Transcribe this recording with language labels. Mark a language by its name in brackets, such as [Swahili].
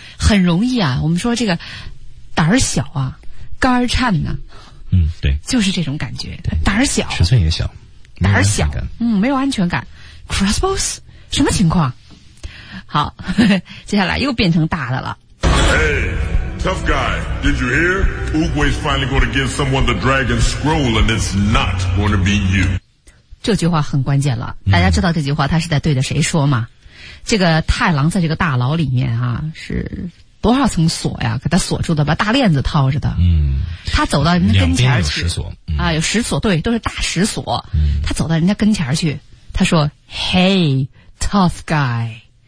[Chinese] 很容易啊，我们说这个胆儿小啊，肝儿颤呢、啊、嗯，对，就是这种感觉，胆儿小，尺寸也小，胆儿小，嗯，没有安全感。crossbows 什么情况？好，接下来又变成大的了。 [English] Hey, tough guy, did you hear? Oogway's finally going to give someone the dragon scroll and it's not going to be you. [Chinese] 这句话很关键了，大家知道这句话他是在对着谁说吗、嗯、这个太郎在这个大牢里面啊，是多少层锁呀，给他锁住的，把大链子套着的。嗯，他走到人家跟前去。两边有石锁、嗯、啊，有石锁，对，都是大石锁、嗯、他走到人家跟前去，他说 [English] Hey, tough guy.